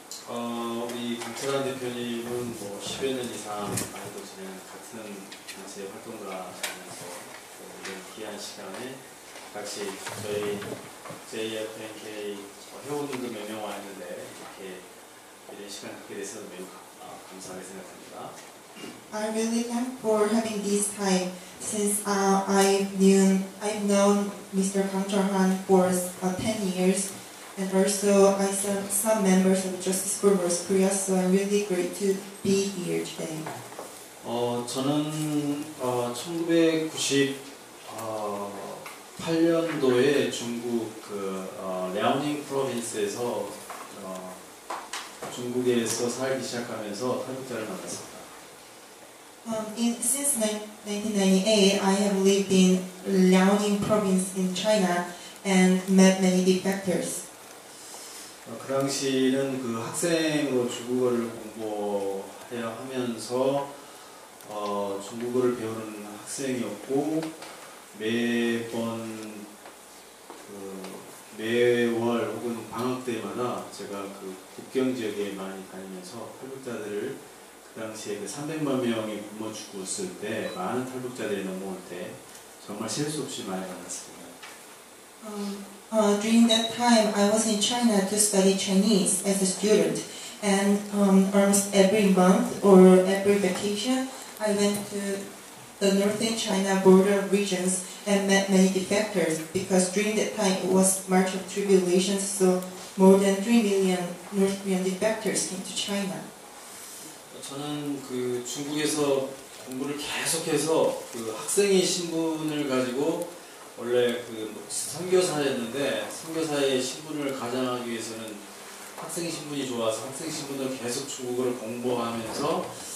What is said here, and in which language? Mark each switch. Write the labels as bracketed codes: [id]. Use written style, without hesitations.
[ko] 우리 김철환 대표님은 뭐 10여 년 이상 아직도 저는 같은 단체 활동과 관련해서 이런 귀한 시간에 같이 저희 JFNK 회원님도 몇 명 와 있는데 이렇게 이런 시간 갖게 돼서 매우 감사하게 생각합니다. [en] I'm really thankful for having this time since I've known Mr. Kang Chul-han for 10 years. And also, I saw some members of Justice for North Korea, so I'm really great to be here today. [ko] 저는 1998년도에 중국 그 랴오닝 프로빈스에서 중국에서 살기 시작하면서 탈북자를 만났습니다. [en] Since 1998, I have lived in Liaoning province in China and met many defectors. [ko] 그 당시는 그 학생으로 중국어를 공부해야 하면서 중국어를 배우는 학생이었고 매번 매월 혹은 방학 때마다 제가 그 국경 지역에 많이 다니면서 탈북자들을 그 당시에 그 300만 명이 굶어 죽고 있을 때 많은 탈북자들이 넘어올 때 정말 셀 수 없이 많이 만났습니다. [en] During that time, I was in China to study Chinese as a student, and almost every month or every vacation, I went to the northern China border regions and met many defectors, because during that time, it was March of Tribulations, so more than 3 million North Korean defectors came to China. [ko] 저는 그 중국에서 공부를 계속해서 그 학생의 신분을 가지고 원래 그 선교사였는데 선교사의 신분을 가장하기 위해서는 학생 신분이 좋아서 학생 신분을 계속 중국어를 공부하면서